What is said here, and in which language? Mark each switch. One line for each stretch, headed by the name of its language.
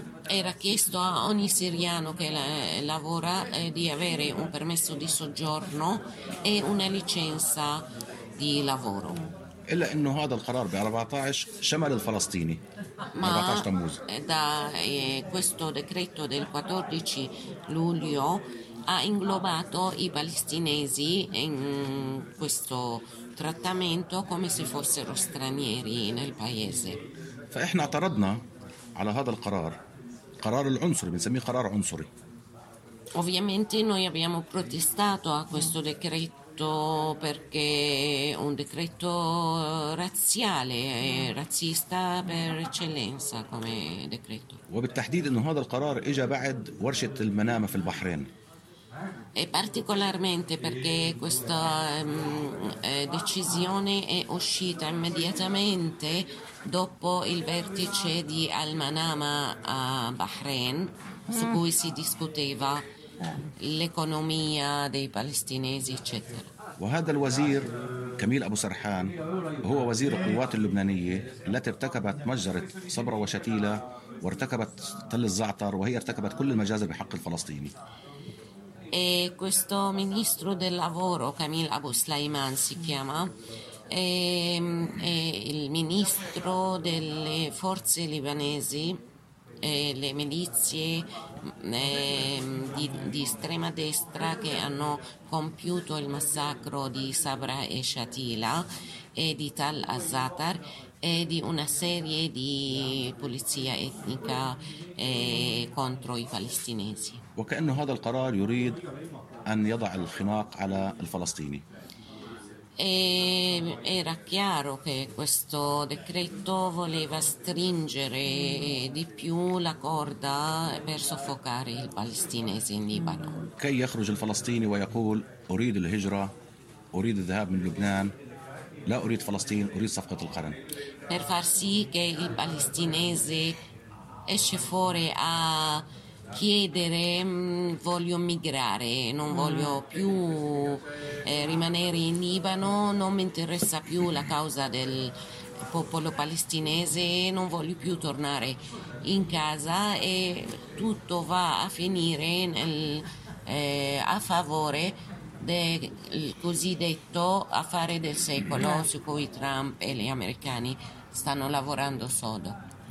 Italian: Era chiesto a ogni siriano che lavora di avere un permesso di soggiorno e una licenza di lavoro.
Arabic: الا انه هذا القرار ب 14 شمل الفلسطيني.
Italian: Ma da questo decreto del 14 luglio ha inglobato i palestinesi in questo trattamento come se fossero stranieri nel paese.
Arabic: فاحنا اعترضنا على هذا القرار. قرار العنصري بنسميه قرار عنصري.
Italian: Ovviamente noi abbiamo protestato a questo decreto perché è un decreto razziale, razzista per eccellenza come decreto.
Arabic: وبالتحديد انه هذا القرار اجى بعد ورشة المنامة في البحرين.
Italian: E particolarmente perché questa decisione è uscita immediatamente dopo il vertice di Al Manama a Bahrain, su cui si discuteva l'economia dei palestinesi, eccetera.
Arabic: وهذا الوزير كميل أبو سرحان هو وزير القوات اللبنانية التي ارتكبت مجزرة صبرا وشتيلة وارتكبت تل الزعتر وهي ارتكبت كل المجازر بحق الفلسطيني.
Italian: E questo ministro del lavoro, Camille Abu Sleiman si chiama, è il ministro delle forze libanesi, le milizie di estrema destra che hanno compiuto il massacro di Sabra e Shatila e di Tal Azatar e di una serie di pulizia etnica contro i palestinesi.
Arabic: وكأنه هذا القرار يريد أن يضع الخناق على الفلسطيني.
Italian: Era chiaro che questo decreto voleva stringere di più la corda per soffocare il palestinese in Libano.
Arabic: كي يخرج الفلسطيني ويقول أريد الهجرة، أريد الذهاب من لبنان، لا أريد فلسطين، أريد صفقة القرن.
Italian: Per far sì che il palestinese esce fuori a chiedere voglio migrare, non voglio più rimanere in Libano, non mi interessa più la causa del popolo palestinese, non voglio più tornare in casa, e tutto va a finire a favore del cosiddetto affare del secolo su cui Trump e gli americani stanno lavorando sodo.